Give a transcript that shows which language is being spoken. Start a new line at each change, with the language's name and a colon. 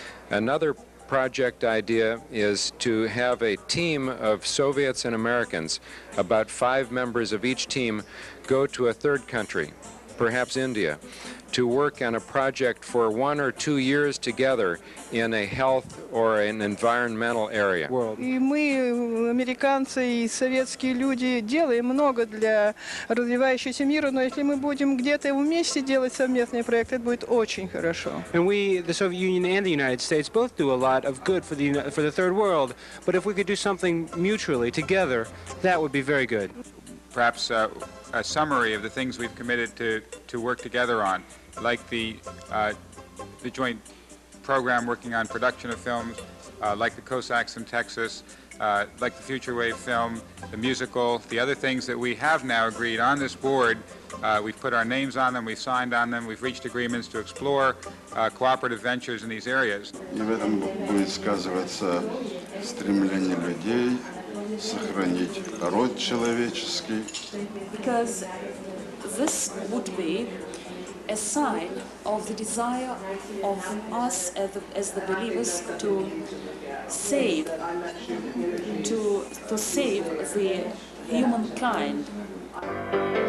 English: Another project idea is to have a team of Soviets and Americans, about five members of each team, go to a third country, perhaps India, to work on a project for 1 or 2 years together in a health or an environmental area.
Russian: И мы, американцы и советские люди, делаем много для развивающегося мира, но если мы будем где-то вместе делать совместные проекты, это будет очень хорошо.
English: And we, the Soviet Union and the United States, both do a lot of good for the third world, but if we could do something mutually together, that would be very good. Perhaps a summary of the things we've committed to work together on, like the joint program working on production of films, like the Cossacks in Texas, like the Future Wave film, the musical, the other things that we have now agreed on this board. We've put our names on them, we've signed on them, we've reached agreements to explore cooperative ventures in these areas.
Russian: И в этом будет сказываться стремление людей сохранить род человеческий.
English: Because this would be a sign of the desire of us as the believers to save the humankind.